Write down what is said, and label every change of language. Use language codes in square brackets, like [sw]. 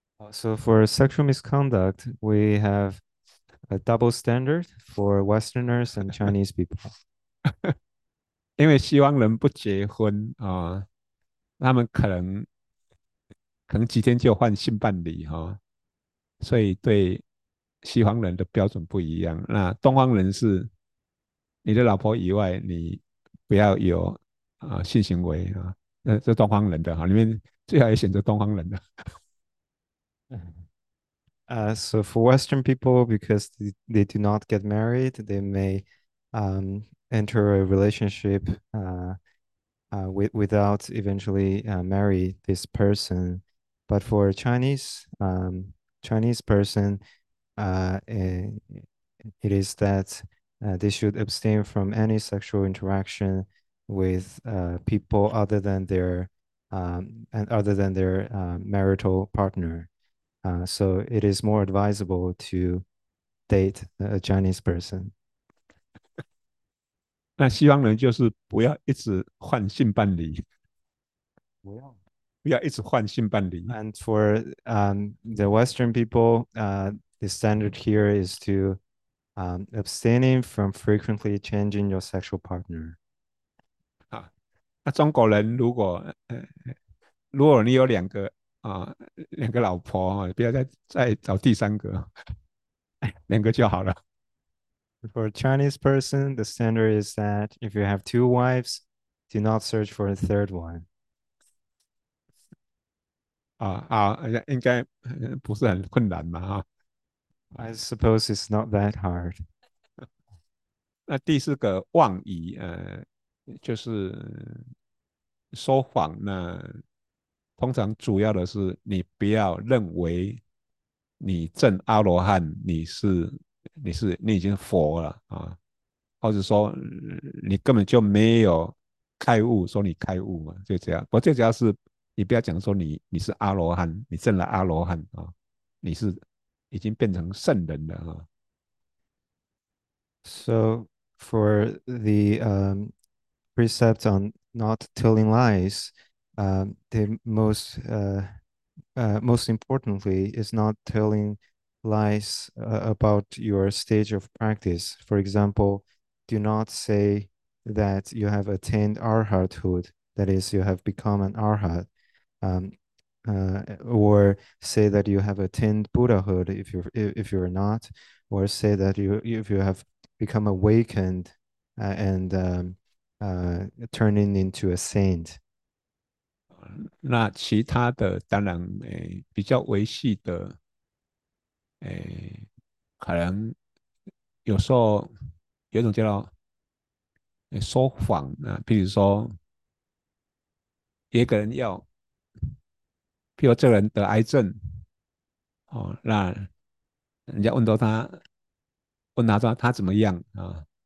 [en] So for sexual misconduct, we have a double standard for Westerners and Chinese people. [zh] 因为西方人不结婚啊，他们可能几天就换性伴侣哈，所以对西方人的标准不一样。那东方人是你的老婆以外，你不要有性行为啊。这东方人的哈，里面最好也选择东方人的。 [en] So for Western people, because they do not get married, they may enter a relationship without eventually marry this person. But for Chinese Chinese person, it is that they should abstain from any sexual interaction with people other than their marital partner. So it is more advisable to date a Chinese person. [zh] 那西方人就是不要一直换性伴侣。不要一直换性伴侣。 [en] And for the Western people, the standard here is to abstaining from frequently changing your sexual partner. [zh] 那中国人如果你有两个老婆，不要再找第三个，两个就好了。 [en] For a Chinese person, the standard is that if you have two wives, do not search for a third one. [zh] 好，应该不是很困难嘛， [en] I suppose it's not that hard. [zh] 那第四个妄语，就是说谎呢，通常主要的是你不要认为你证阿罗汉，你已经佛了啊，或者说你根本就没有开悟，说你开悟嘛，就这样。不过最主要是你不要讲说你是阿罗汉，你证了阿罗汉啊，你是已经变成圣人了啊。 [en] So for the precept on not telling lies, the most importantly is not telling lies about your stage of practice. For example, do not say that you have attained arhathood, that is, you have become an arhat, or say that you have attained Buddhahood if you're not, or say that if you have become awakened and turning into a saint. [zh] 那其他的当然，比较维系的，可能有时候有一种叫说谎啊，比如说一个人要，比如这个人得癌症，哦，那人家问他说他怎么样啊？